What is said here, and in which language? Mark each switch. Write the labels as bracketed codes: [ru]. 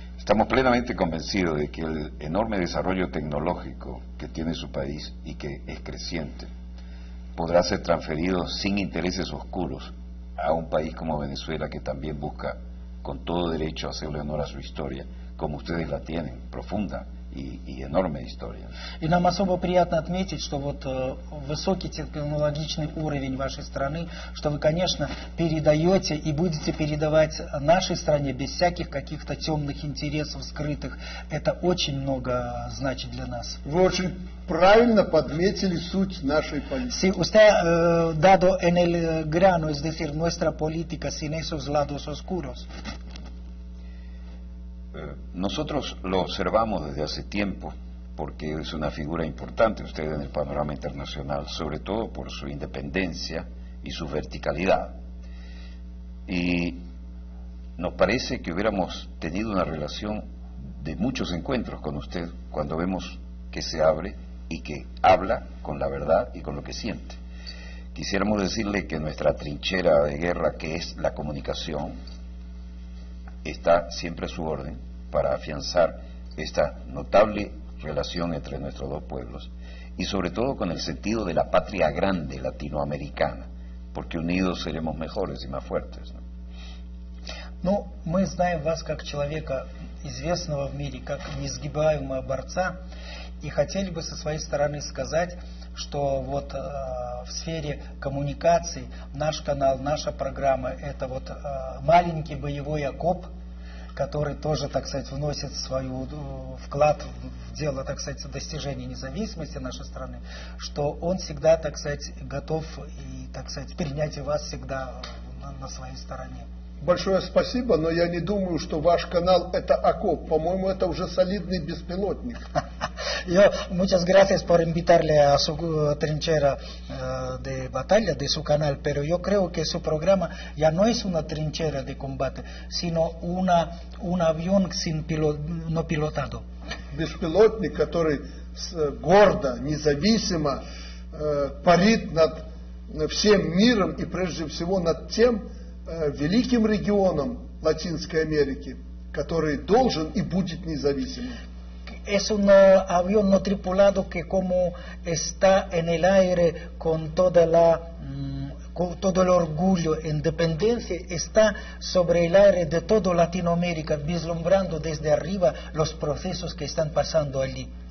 [es] Estamos plenamente convencidos de que el enorme desarrollo tecnológico que tiene su país y que es creciente podrá ser transferido sin intereses oscuros a un país como Venezuela que también busca con todo derecho hacerle honor a su historia como ustedes la tienen, profunda. [ru] И enorme история. И нам особо приятно отметить, что вот высокий технологичный уровень вашей страны, что вы, конечно, передаете и будете передавать нашей стране без всяких каких-то темных интересов скрытых. Это очень много значит для нас. Вы очень правильно подметили суть нашей политики. [es] Si usted dado en el grano, es decir, nuestra política sin esos lados oscuros. Nosotros lo observamos desde hace tiempo porque es una figura importante usted en el panorama internacional, sobre todo por su independencia y su verticalidad. Y nos parece que hubiéramos tenido una relación de muchos encuentros con usted cuando vemos que se abre y que habla con la verdad y con lo que siente. Quisiéramos decirle que nuestra trinchera de guerra, que es la comunicación, está siempre a su orden. Para afianzar esta notable relación entre nuestros dos pueblos y sobre todo con el sentido de la patria grande latinoamericana, porque unidos seremos mejores y más fuertes. ¿No? [ru] Ну, мы знаем вас как человека известного в мире, как несгибаемого борца, и хотели бы со своей стороны сказать, что вот в сфере коммуникаций наш канал, наша программа – это вот маленький боевой окоп. Который тоже, так сказать, вносит свой вклад в дело, так сказать, достижения независимости нашей страны, что он всегда, так сказать, готов и, так сказать, принять вас всегда на своей стороне. Большое спасибо, но я не думаю, что ваш канал – это окоп. По-моему, это уже солидный беспилотник. [es] Yo, muchas gracias por invitarle a su trinchera de batalla, de su canal, pero yo creo que su programa ya no es una trinchera de combate, sino un avión sin no pilotado. [ru] Беспилотник, который гордо, независимо парит над всем миром и прежде всего над тем великим регионом Латинской Америки, который должен и будет независимым. [es] Es un avión no tripulado que como está en el aire con toda la con todo el orgullo independencia está sobre el aire de toda Latinoamérica vislumbrando desde arriba los procesos que están pasando allí.